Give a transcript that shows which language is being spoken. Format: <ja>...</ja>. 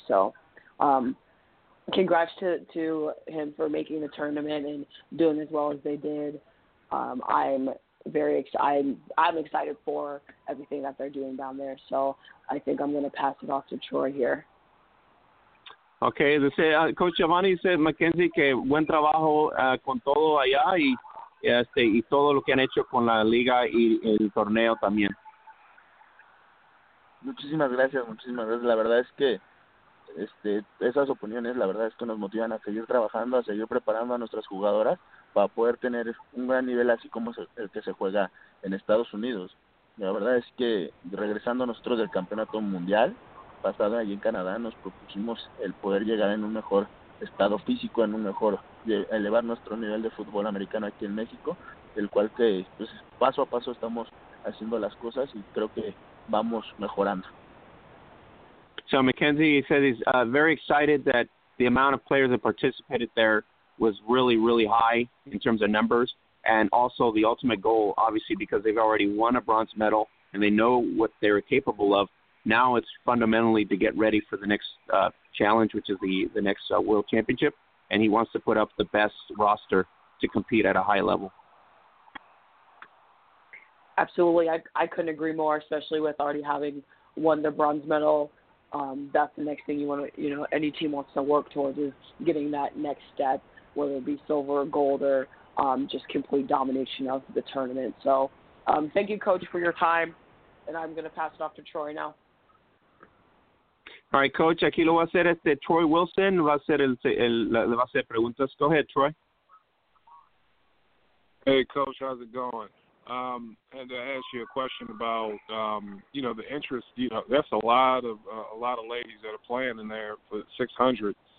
<en>So congrats to him for making the tournament and doing as well as they did. I'm excited for everything that they're doing down there. So I think I'm going to pass it off to Troy here. Okay, Coach Giovanni said,</en> <es>Mackenzie, que buen trabajo con todo allá y todo lo que han hecho con la liga y el torneo también. Muchísimas gracias. La verdad es que esas opiniones, la verdad es que nos motivan a seguir trabajando, a seguir preparando a nuestras jugadoras para poder tener un gran nivel así como el que se juega en Estados Unidos. La verdad es que regresando nosotros del campeonato mundial pasado allí en Canadá, nos propusimos el poder llegar en un mejor estado físico, en un mejor, elevar nuestro nivel de fútbol americano aquí en México, el cual que pues, paso a paso estamos haciendo las cosas y creo que vamos mejorando.</es> <en>So Mackenzie said he's very excited that the amount of players that participated there was really, really high in terms of numbers, and also the ultimate goal, obviously, because they've already won a bronze medal and they know what they're capable of. Now it's fundamentally to get ready for the next challenge, which is the next World Championship, and he wants to put up the best roster to compete at a high level. Absolutely. I couldn't agree more, especially with already having won the bronze medal. That's the next thing you want to, you know, any team wants to work towards is getting that next step, whether it be silver or gold or just complete domination of the tournament. So thank you, Coach, for your time, and I'm going to pass it off to Troy now. All right,</en> <es>Coach, aquí lo va a hacer Troy Wilson, va a hacer le va a hacer preguntas.</es> <en>Go ahead, Troy. Hey, Coach, how's it going? And to ask you a question about, you know, the interest, you know, that's a lot of ladies that are playing in there for 600.</en>